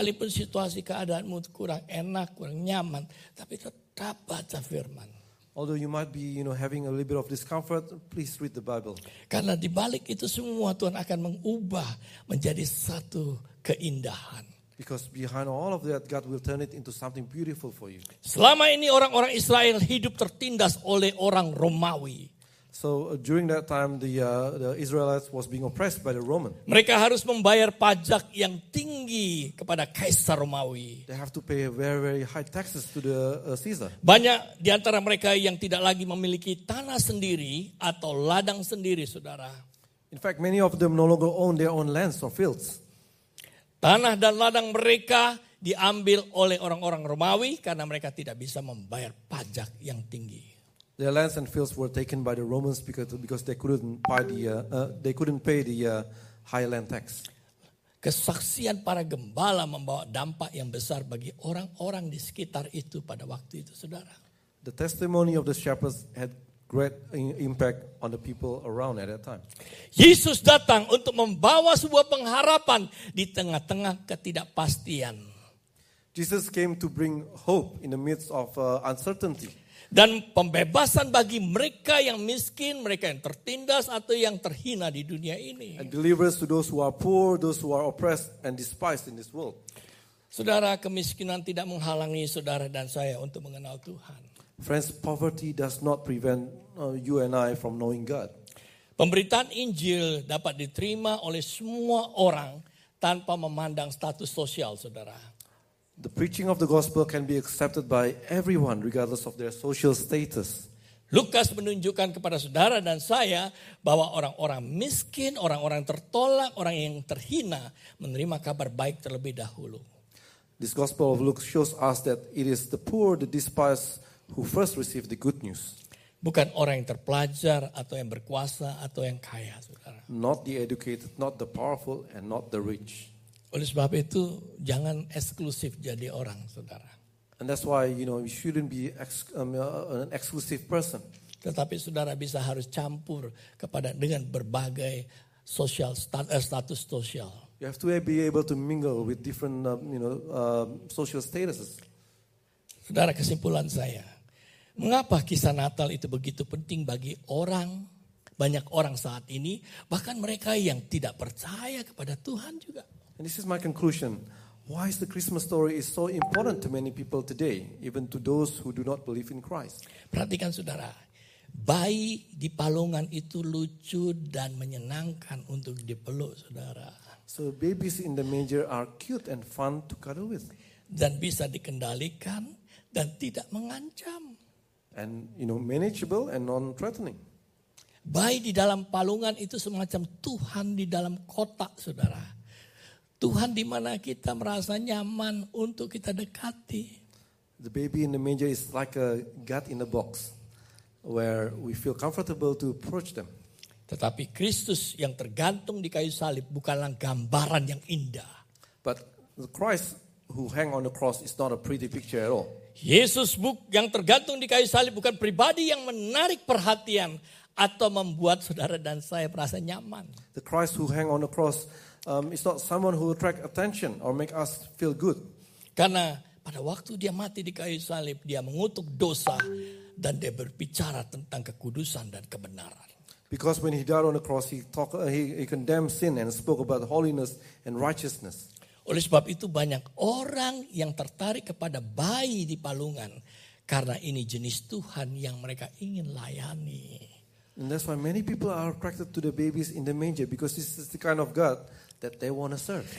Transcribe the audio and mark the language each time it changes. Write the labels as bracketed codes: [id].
[id] Sekalipun situasi keadaanmu kurang enak, kurang nyaman, tapi tetap baca firman. [en] Although you might be, having a little bit of discomfort, please read the Bible. [id] Karena di balik itu semua Tuhan akan mengubah menjadi satu keindahan. [en] Because behind all of that, God will turn it into something beautiful for you. [id] Selama ini orang-orang Israel hidup tertindas oleh orang Romawi. [en] So during that time, the Israelites was being oppressed by the Roman. [id] Mereka harus membayar pajak yang tinggi kepada Kaisar Romawi. [en] They have to pay very, very high taxes to the Caesar. [id] Banyak di antara mereka yang tidak lagi memiliki tanah sendiri atau ladang sendiri, saudara. [en] In fact, many of them no longer own their own lands or fields. [id] Tanah dan ladang mereka diambil oleh orang-orang Romawi karena mereka tidak bisa membayar pajak yang tinggi. [en] Their lands and fields were taken by the Romans because they couldn't pay the high land tax. [id] Kesaksian para gembala membawa dampak yang besar bagi orang-orang di sekitar itu pada waktu itu, saudara. [en] The testimony of the shepherds had great impact on the people around at that time. [id] Yesus datang untuk membawa sebuah pengharapan di tengah-tengah ketidakpastian. [en] Jesus came to bring hope in the midst of uncertainty. [id] Dan pembebasan bagi mereka yang miskin, mereka yang tertindas atau yang terhina di dunia ini. [en] And deliverance to those who are poor, those who are oppressed and despised in this world. [id] Saudara, kemiskinan tidak menghalangi saudara dan saya untuk mengenal Tuhan. [en] Friends, poverty does not prevent you and I from knowing God. [id] Pemberitaan Injil dapat diterima oleh semua orang tanpa memandang status sosial, saudara. [en] The preaching of the gospel can be accepted by everyone regardless of their social status. [id] Lukas menunjukkan kepada saudara dan saya bahwa orang-orang miskin, orang-orang tertolak, orang yang terhina menerima kabar baik terlebih dahulu. [en] This gospel of Luke shows us that it is the poor, the despised who first received the good news. [id] Bukan orang yang terpelajar atau yang berkuasa atau yang kaya, saudara. [en] Not the educated, not the powerful, and not the rich. [id] Oleh sebab itu, jangan eksklusif jadi orang, saudara. [en] And that's why, you shouldn't be an exclusive person. [id] Tetapi saudara bisa harus campur kepada dengan berbagai social status sosial. [en] You have to be able to mingle with different, social statuses. [id] Saudara, kesimpulan saya. Mengapa kisah Natal itu begitu penting bagi orang, banyak orang saat ini, bahkan mereka yang tidak percaya kepada Tuhan juga. [en] And this is my conclusion. Why is the Christmas story is so important to many people today, even to those who do not believe in Christ? [id] Perhatikan saudara, bayi di palungan itu lucu dan menyenangkan untuk dipeluk, saudara. [en] So babies in the manger are cute and fun to cuddle with. [id] Dan bisa dikendalikan dan tidak mengancam. [en] And manageable and non-threatening. [id] Bayi di dalam palungan itu semacam Tuhan di dalam kotak, saudara. Tuhan di mana kita merasa nyaman untuk kita dekati. [en] The baby in the manger is like a God in a box where we feel comfortable to approach them. [id] Tetapi Kristus yang tergantung di kayu salib bukanlah gambaran yang indah. [en] But the Christ who hang on the cross is not a pretty picture at all. [id] Yesus yang tergantung di kayu salib bukan pribadi yang menarik perhatian atau membuat saudara dan saya merasa nyaman. [en] The Christ who hang on the cross is not someone who attract attention or make us feel good. [id] Karena pada waktu dia mati di kayu salib, dia mengutuk dosa dan dia berbicara tentang kekudusan dan kebenaran. [en] Because when he died on the cross, he condemned sin and spoke about holiness and righteousness. [id] Oleh sebab itu banyak orang yang tertarik kepada bayi di palungan karena ini jenis Tuhan yang mereka ingin layani. [en] And that's why many people are attracted to the babies in the manger because this is the kind of God that they want to serve.